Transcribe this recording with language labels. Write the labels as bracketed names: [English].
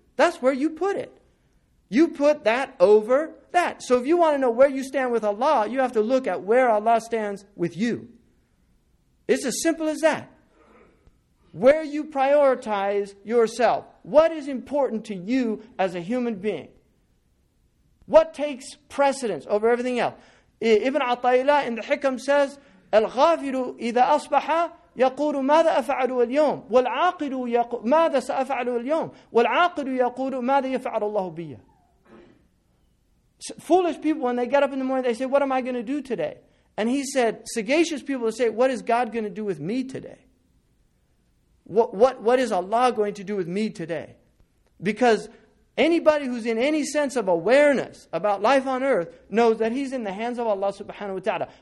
[English] That's where you put it. You put that over that. So if you want to know where you stand with Allah, you have to look at where Allah stands with you. It's as simple as that. Where you prioritize yourself. What is important to you as a human being? What takes precedence over everything else? Ibn Ataylah in the Hikam says, [Arabic] الغافر إذا أصبح يقول ماذا أفعل اليوم والعاقل يقول ماذا سأفعل اليوم والعاقل يقول ماذا يفعل الله بي. [English] Foolish people, when they get up in the morning, they say, what am I going to do today? And he said, sagacious people say, what is God going to do with me today? What is Allah going to do with me today? Because anybody who's in any sense of awareness about life on earth knows that he's in the hands of Allah subhanahu wa ta'ala.